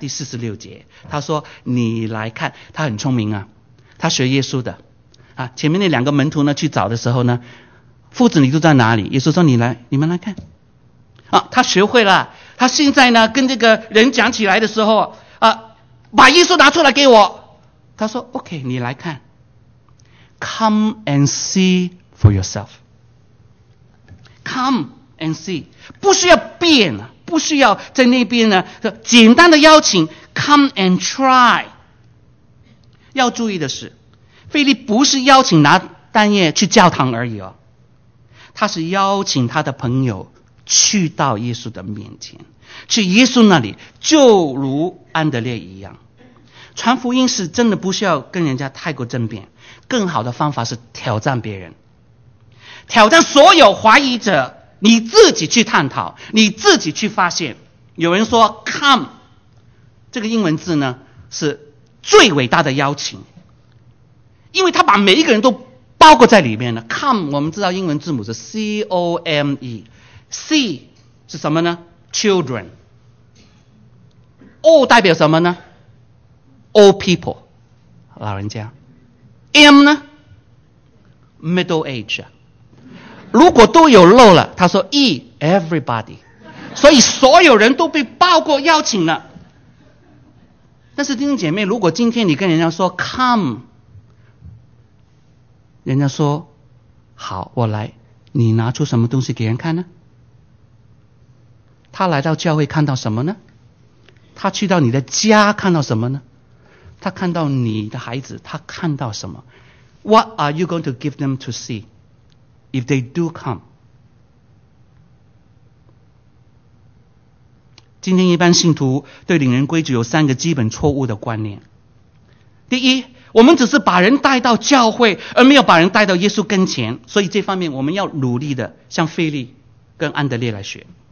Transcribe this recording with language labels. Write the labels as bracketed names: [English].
[Chinese] 第46节，他说：“你来看，他很聪明啊，他学耶稣的啊。前面那两个门徒呢，去找的时候呢，夫子你都在哪里？耶稣说：你来，你们来看啊。他学会了，他现在呢，跟这个人讲起来的时候啊，把耶稣拿出来给我。他说 ：OK， 你来看。” [English] Come and see for yourself. Come and see. [Chinese] 不需要变，不需要在那边呢，简单的邀请， [English] Come and try. [Chinese] 要注意的是，腓力不是邀请拿单业去教堂而已哦，他是邀请他的朋友去到耶稣的面前，去耶稣那里，就如安德烈一样。传福音是真的不需要跟人家太过争辩，更好的方法是挑战别人，挑战所有怀疑者，你自己去探讨，你自己去发现。有人说 come 这个英文字呢是最伟大的邀请，因为他把每一个人都包括在里面了。 come 我们知道英文字母是 C-O-M-E， C 是什么呢？ Children。 O 代表什么呢？ [English] Old people， [Chinese] 老人家。 [English] M 呢？Middle age。 [Chinese] 如果都有漏了，他说 E， everybody。所以所有人都被包括邀请了。但是弟兄姐妹，如果今天你跟人家说 come， 人家说好我来，你拿出什么东西给人看呢？他来到教会看到什么呢？他去到你的家看到什么呢？他看到你的孩子，他看到什么？ [English] What are you going to give them to see if they do come? [Chinese] 今天一般信徒对领人归主有三个基本错误的观念。第一，我们只是把人带到教会，而没有把人带到耶稣跟前，所以这方面我们要努力的向腓力跟安德烈来学。